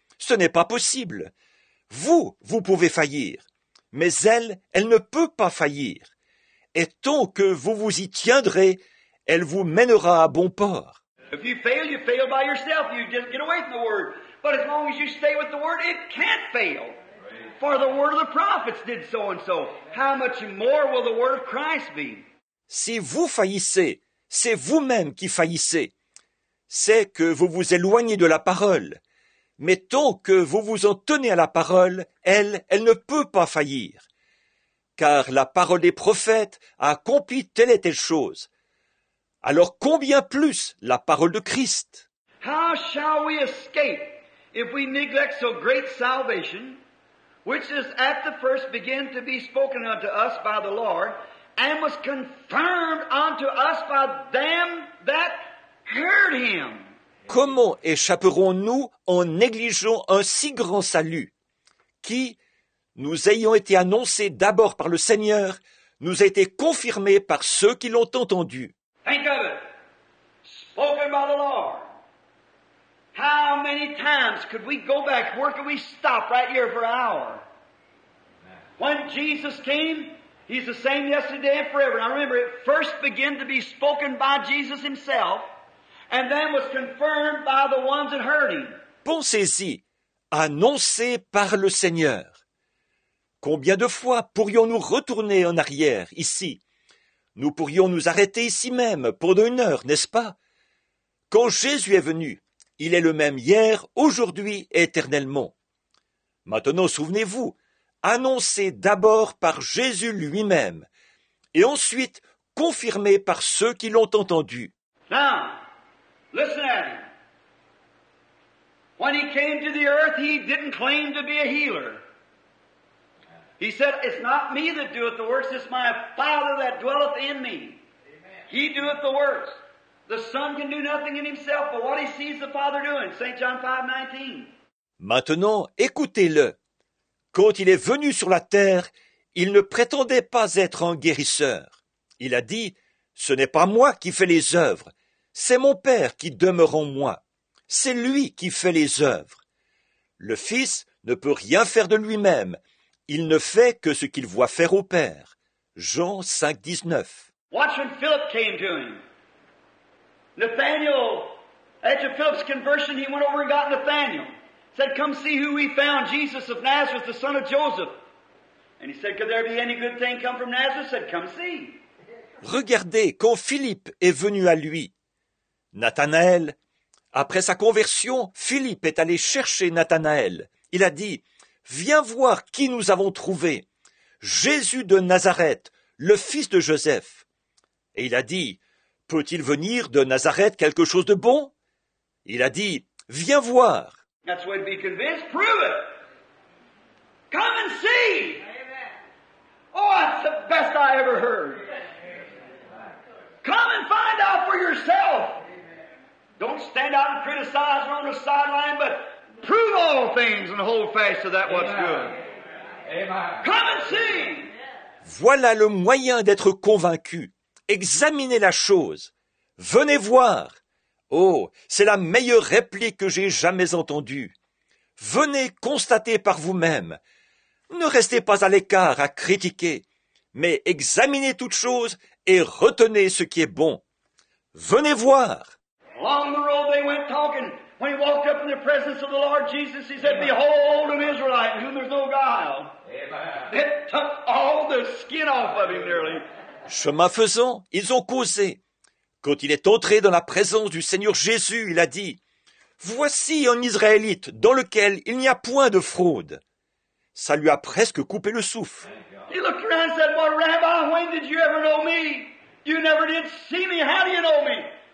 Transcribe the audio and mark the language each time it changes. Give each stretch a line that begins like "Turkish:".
French: Ce n'est pas possible. Vous pouvez faillir, mais elle ne peut pas faillir. Et tant que vous vous y tiendrez, elle vous mènera à bon port.
English: If you fail, you fail by yourself. You just get away from the word. But as long as you stay with the word, it can't fail. For the word of the prophets did so and so. How much more will the word of Christ be?
French: Si vous faillissez, c'est vous-même qui faillissez. C'est que vous vous éloignez de la parole. Mais tant que vous vous en tenez à la parole, elle ne peut pas faillir. Car la parole des prophètes a accompli telle et telle chose. Alors combien plus la parole de Christ?
English: How shall we escape if we neglect so great salvation, which is at the first began to be spoken unto us by the Lord, and was confirmed unto us by them that heard him?
French: Comment échapperons-nous en négligeant un si grand salut, qui, nous ayant été annoncé d'abord par le Seigneur, nous a été confirmé par ceux qui l'ont entendu?
English: Think of it. Spoken by the Lord. How many times could we go back? Where could we stop right here for an hour? When Jesus came, he's the same yesterday and forever. And I remember it first began to be spoken by Jesus himself. and then was confirmed by the ones that heard him.
French: Pensez-y, annoncé par le Seigneur. Combien de fois pourrions-nous retourner en arrière ici? Nous pourrions nous arrêter ici même pendant une heure, n'est-ce pas? Quand Jésus est venu, il est le même hier, aujourd'hui et éternellement. Maintenant, souvenez-vous, annoncé d'abord par Jésus lui-même et ensuite confirmé par ceux qui l'ont entendu.
English: Now, listen at him. When he came to the earth, he didn't claim to be a healer. He said, it's not me that doeth the works, it's my Father that dwelleth in me. He doeth the works. The Son can do nothing in himself, but what he sees the Father doing, St. John 5:19.
French: Maintenant, écoutez-le. Quand il est venu sur la terre, il ne prétendait pas être un guérisseur. Il a dit, « Ce n'est pas moi qui fais les œuvres, c'est mon Père qui demeure en moi. C'est lui qui fait les œuvres. Le Fils ne peut rien faire de lui-même. Il ne fait que ce qu'il voit faire au Père. » Jean 5:19.
English: Watch when Philip came to him. Nathanael, after Philip's conversion, he went over and got Nathanael. Said, come see who we found, Jesus of Nazareth, the son of Joseph. And he said, could there be any good thing come from Nazareth? Said, come see.
French: Regardez, quand Philippe est venu à lui, Nathanaël, après sa conversion, Philippe est allé chercher Nathanaël. Il a dit, viens voir qui nous avons trouvé, Jésus de Nazareth, le fils de Joseph. Et il a dit, peut-il venir de Nazareth quelque chose de bon? Il a dit, viens voir.
English: That's what be convinced. Prove it. Come and see. Amen. Oh, that's the best I ever heard. Amen. Come and find out for yourself. Amen. Don't stand out and criticize or on the sideline, but prove all things and hold fast to that Amen. What's good. Amen. Come and see. Amen.
French: Voilà le moyen d'être convaincu. Examinez la chose. Venez voir. Oh, c'est la meilleure réplique que j'ai jamais entendue. Venez constater par vous-même. Ne restez pas à l'écart à critiquer, mais examinez toutes choses et retenez ce qui est bon. Venez voir.
English: Along the road they went talking. When he walked up in the presence of the Lord Jesus, he said, behold an Israelite in whom there's no guile. Amen. It took all the skin off of him nearly.
French: Chemin faisant, ils ont causé. Quand il est entré dans la présence du Seigneur Jésus, il a dit, « Voici un Israélite dans lequel il n'y a point de fraude. » Ça lui a presque coupé le souffle.
English: He looked around and said, well, Rabbi, when did you ever know me? You never did see me. How do you know me?